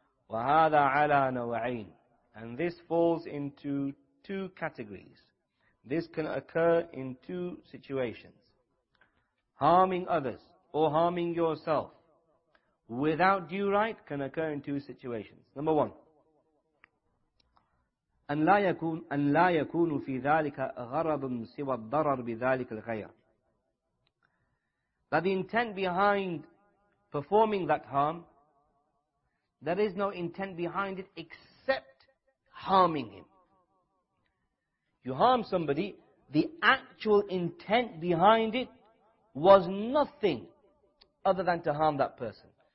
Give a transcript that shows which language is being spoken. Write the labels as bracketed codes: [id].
[ar] وَهَذَا عَلَى نَوَعَيْنِ. [en] And this falls into two categories. This can occur in two situations. Harming others or harming yourself without due right can occur in two situations. Number one, [ar] أَن لَا يَكُونُ فِي ذَلِكَ غَرَضٌ سِوَى الضَّرَرُ بِذَلِكَ الْغَيْرِ. [en] That the intent behind performing that harm, there is no intent behind it except harming him. You harm somebody, the actual intent behind it was nothing other than to harm that person.